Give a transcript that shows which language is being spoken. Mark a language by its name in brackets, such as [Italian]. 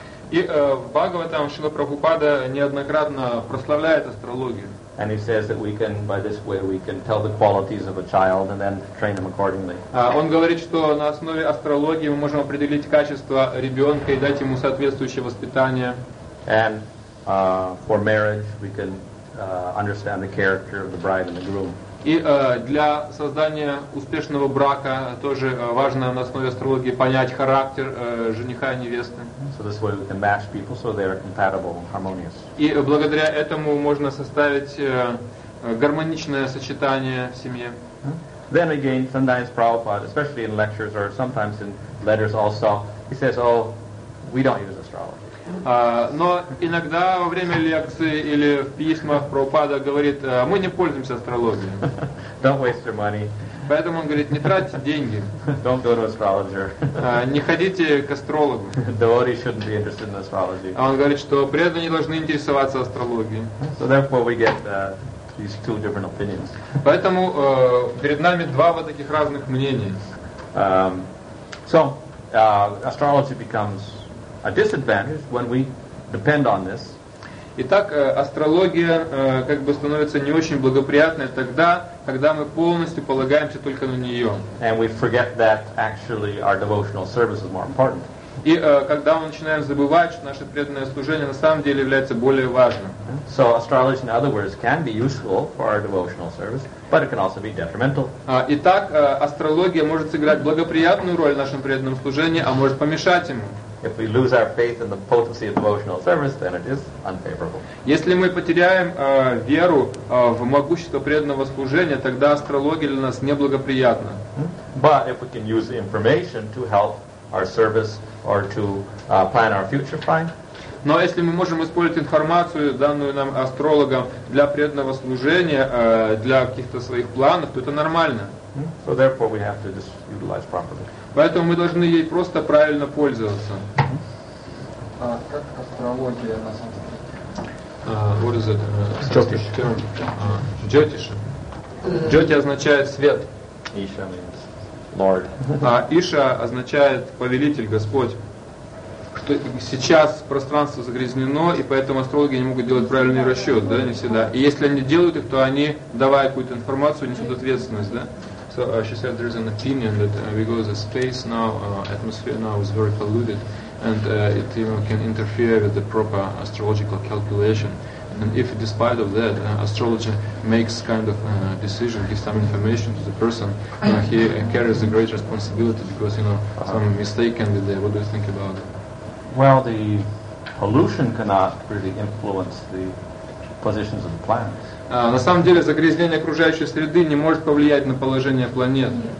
[Russian] И в Бхагаватам Шрила Прабхупада неоднократно прославляет астрологию. [English] And he says that we can, by this way, we can tell the qualities of a child and then train him accordingly. [Russian] Он говорит, что на основе астрологии мы можем определить качество ребенка и дать ему соответствующее воспитание. [English] And for marriage, we can understand the character of the bride and the groom. [Russian] И для создания успешного брака тоже важно на основе астрологии понять характер жениха и невесты. [English] So this way we can match people so they are compatible and harmonious. [Russian] И благодаря этому можно составить гармоничное сочетание в семье. [English] Then again, sometimes Prabhupada, especially in lectures or sometimes in letters also, he says, oh, we don't use astrology. [Russian] Но иногда во время лекции или в письмах Прабхупада говорит, мы не пользуемся астрологией. [English] Don't waste your money. [Russian] Поэтому он говорит, не тратьте деньги. [English] Don't go to astrologer. [Russian] Не ходите к астрологу. [English] Devotees shouldn't be interested in astrology. [Russian] А он говорит, что преданные должны интересоваться астрологией. [English] So therefore we get these two different opinions. [Russian] Поэтому перед нами два вот таких разных мнения. [English] So astrology becomes a disadvantage when we depend on this. [Russian] Итак, астрология как бы становится не очень благоприятной тогда, когда мы полностью полагаемся только на нее. [English] And we forget that actually our devotional service is more important. [Russian] И когда мы начинаем забывать, что наше преданное служение на самом деле является более важным. [English] So astrology, in other words, can be useful for our devotional service, but it can also be detrimental. [Russian] Итак, астрология может сыграть благоприятную роль в нашем преданном служении, а может помешать ему. [English] if we lose our faith in the potency of devotional service, then it is unfavorable. [Russian] Если мы потеряем веру в могущество преданного служения, тогда астрология для нас неблагоприятна. [English] But if we can use the information to help our service or to plan our future, fine. [Russian] Но если мы можем использовать информацию, данную нам астрологом, для преданного служения, для каких-то своих планов, то это нормально. [English] So therefore we have to just utilize properly. [Russian] Поэтому мы должны ей просто правильно пользоваться. Как астрология на самом деле? [English] What is it? Jyotish. Jyotish. [Russian] Jyoti означает свет. [English] Isha means Lord. [Russian] Isha означает повелитель, Господь. Что сейчас пространство загрязнено, и поэтому астрологи не могут делать правильный расчет, да, не всегда. И если они делают их, то они, давая какую-то информацию, несут ответственность, да? [English] So she said there's an opinion that because the space now, atmosphere now is very polluted, and it even can interfere with the proper astrological calculation. And if despite of that, astrologer makes kind of a decision, gives some information to the person, he carries a great responsibility because, you know, some mistake can be there. What do you think about it? Well, the pollution cannot really influence the positions of the planets. [Russian] На самом деле, загрязнение окружающей среды не может повлиять на положение планет.